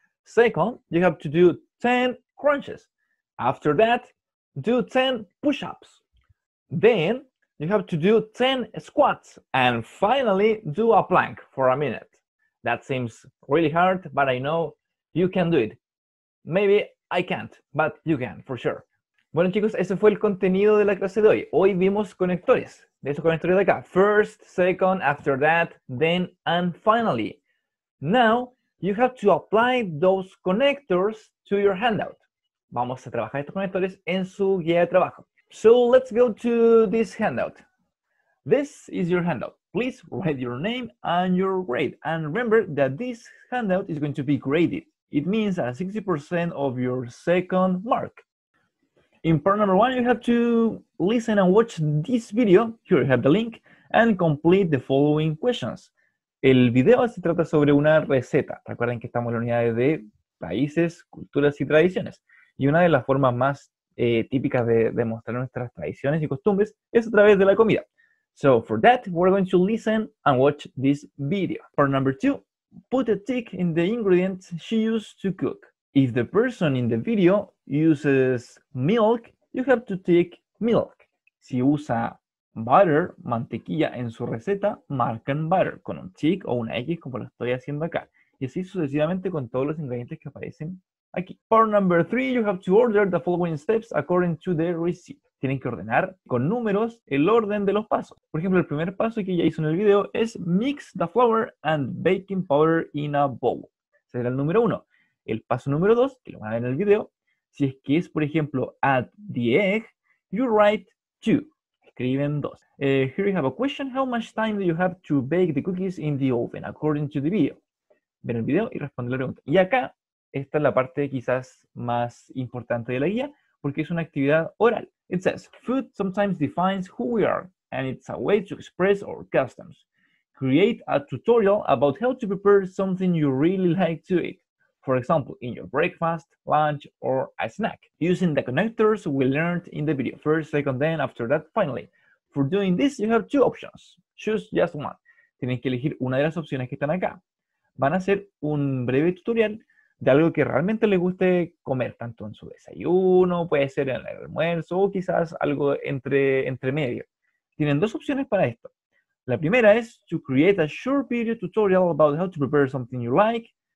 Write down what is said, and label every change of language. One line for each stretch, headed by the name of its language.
English: Second, you have to do 10 crunches. After that, do 10 push-ups. Then, you have to do 10 squats. And finally, do a plank for a minute. That seems really hard, but I know you can do it. Maybe I can't, but you can, for sure.
Spanish: Bueno chicos, ese fue el contenido de la clase de hoy. Hoy vimos conectores. De esos conectores de acá.
English: First, second, after that, then, and finally. Now, you have to apply those connectors to your handout.
Spanish: Vamos a trabajar estos conectores en su guía de trabajo.
English: So, let's go to this handout. This is your handout. Please write your name and your grade. And remember that this handout is going to be graded. It means a 60% of your second mark. In part number one, you have to listen and watch this video. Here you have the link. And complete the following questions.
Spanish: El video se trata sobre una receta. Recuerden que estamos en unidades de países, culturas y tradiciones. Y una de las formas más típicas de mostrar nuestras tradiciones y costumbres es a través de la comida.
English: So for that, we're going to listen and watch this video. Part number two, put a tick in the ingredients she used to cook. If the person in the video uses milk, you have to tick milk.
Spanish: Si usa butter, mantequilla en su receta, marquen butter con un tick o una X como lo estoy haciendo acá. Y así sucesivamente con todos los ingredientes que aparecen aquí.
English: Part number three, you have to order the following steps according to the receipt.
Spanish: Tienen que ordenar con números el orden de los pasos. Por ejemplo, el primer paso que ya hizo en el video es
English: mix the flour and baking powder in a bowl.
Spanish: Será el número uno. El paso número 2, que lo van a ver en el video, si es que es, por ejemplo,
English: add the egg, you write 2.
Spanish: escriben dos.
English: Here you have a question. How much time do you have to bake the cookies in the oven, according to the video?
Spanish: Ver el video y responder la pregunta. Y acá, esta es la parte quizás más importante de la guía, porque es una actividad oral.
English: It says, food sometimes defines who we are, and it's a way to express our customs. Create a tutorial about how to prepare something you really like to eat. For example, in your breakfast, lunch, or a snack. Using the connectors we learned in the video. First, second, then, after that, finally. For doing this, you have two options. Choose just one.
Spanish: Tienen que elegir una de las opciones que están acá. Van a hacer un breve tutorial de algo que realmente les guste comer, tanto en su desayuno, puede ser en el almuerzo, o quizás algo entre medio. Tienen dos opciones para esto. La primera es
English: to create a short video tutorial about how to prepare something you like.